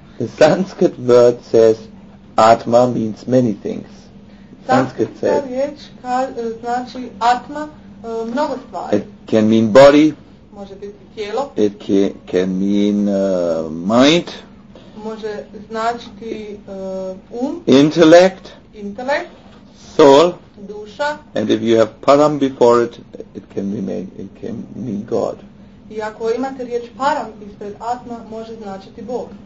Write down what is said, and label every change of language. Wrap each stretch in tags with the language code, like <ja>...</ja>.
<en>The Sanskrit word says atma means many things. Sanskrit says.</en> <hr>Sanskrit riječ znači atma mnogo stvari.</hr> <en>It can mean body.</en> <hr>Može biti tijelo.</hr> <en>It can mean mind.</en> <hr>Može značiti um.</hr> <en>Intellect. Intellect. Soul.</en> <hr>Duša.</hr> <en>And if you have param before it, it can mean God.</en> <hr>I ako imate riječ param ispred atma, može značiti Bog.</hr>